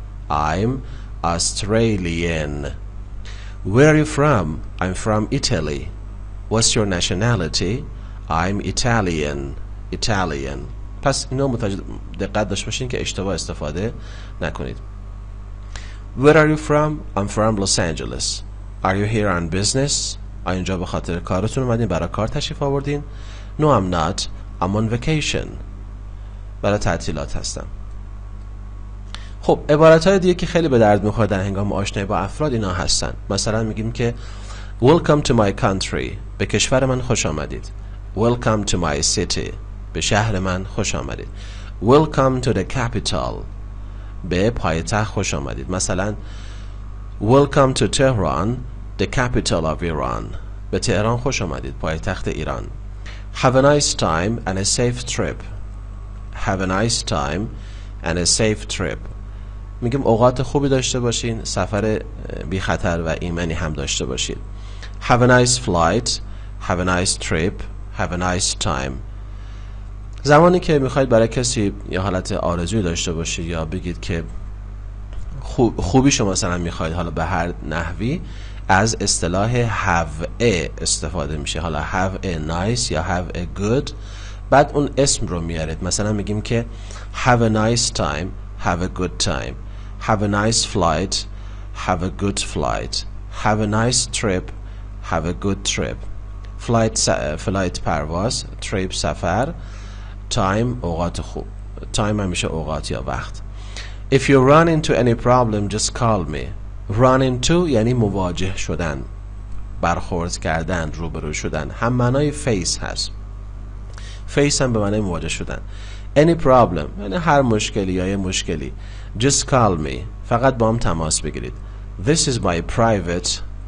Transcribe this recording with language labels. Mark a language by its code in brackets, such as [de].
[en] I'm Australian. Where are you from؟ I'm from Italy. What's your nationality؟ I'm Italian. Italian. [fa] پس اینو متوجه دقت داشته باشین که اشتباه استفاده نکنید. [en] Where are you from؟ I'm from Los Angeles. Are you here on business؟ [fa] آیا اینجا به خاطر کارتون اومدین، برای کار تشریف آوردین؟ [en] No, I'm not. I'm on vacation. [fa] برای تعطیلات هستم. خب عبارات‌های دیگه که خیلی به درد می‌خوره در هنگام آشنایی با افراد اینا هستن. مثلا میگیم که [en] Welcome to my country. [fa] به کشور من خوش آمدید. [en] Welcome to my city. [fa] به شهر من خوش آمدید. [en] Welcome to the capital. [fa] به پایتخت خوش آمدید. [en] مثلا Welcome to Tehran, the capital of Iran. [fa] به تهران خوش آمدید، پایتخت ایران. [en] Have a nice time and a safe trip. Have a nice time and a safe trip. [fa] میگیم اوقات خوبی داشته باشین، سفر بی خطر و ایمنی هم داشته باشید. [en] Have a nice flight. Have a nice trip. Have a nice time. [fa] زمانی که میخواید برای کسی یه حالت آرزوی داشته باشید یا بگید که خوبی شما مثلا میخواید، حالا به هر نحوی، از اصطلاح have a استفاده میشه. حالا [en] have a nice [fa] یا [en] have a good، [fa] بعد اون اسم رو میارید. مثلا میگیم که [en] have a nice time، have a good time. Have a nice flight، have a good flight. Have a nice trip، have a good trip. [fa] Flight پرواز، trip سفر، time اوقات خوب. Time همیشه اوقات یا وقت. [en] If you run into any problem just call me. [fa] Run into یعنی مواجه شدن، برخورد کردن، روبرو شدن. هم معنای face هست. Face هم به معنای مواجه شدن. [en] Any problem [fa] یعنی هر مشکلی یا یه مشکلی. [en] Just call me. [fa] فقط با هم تماس بگیرید. [en] This is my private.